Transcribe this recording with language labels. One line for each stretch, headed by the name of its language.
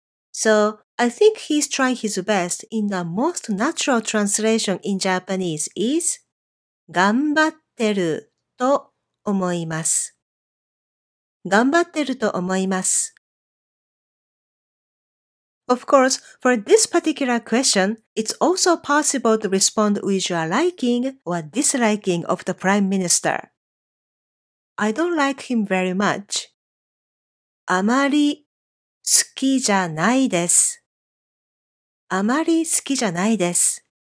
English: So, I think he's trying his best in the most natural translation in Japanese is
Japanese: 頑張ってる。と思います。頑張ってると思います。
English: Of course, for this particular question, it's also possible to respond with your liking or disliking of the Prime Minister. I don't like him very much.
Japanese: あまり好きじゃないです。あまり好きじゃないです。